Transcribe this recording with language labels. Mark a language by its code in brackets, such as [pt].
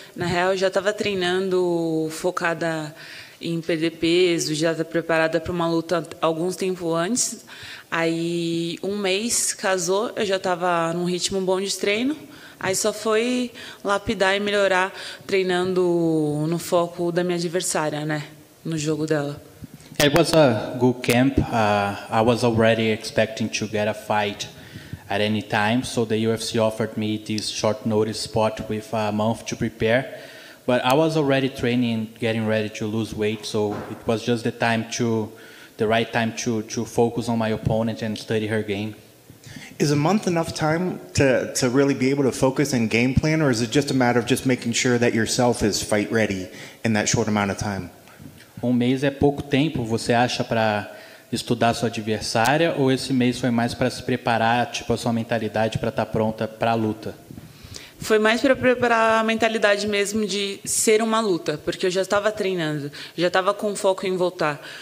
[pt] Na real, eu já estava treinando focada em perder peso, já estava preparada para uma luta alguns tempos antes. Aí, um mês casou, eu já estava num ritmo bom de treino. Aí só foi lapidar e melhorar treinando no foco da minha adversária, né? No jogo dela. [en] It was a good camp. I was already expecting to get a fight at any time, so the UFC offered me this short notice spot with a month to prepare. But I was already training, getting ready to lose weight, so it was just the right time to focus on my opponent and study her game. Is a month enough time to really be able to focus and game plan, or is it just a matter of just making sure that yourself is fight ready in that short amount of time? [pt] Um mês é pouco tempo, você acha, para estudar sua adversária, ou esse mês foi mais para se preparar, tipo, a sua mentalidade para estar pronta para a luta? Foi mais para preparar a mentalidade mesmo de ser uma luta, porque eu já estava treinando, já estava com foco em voltar.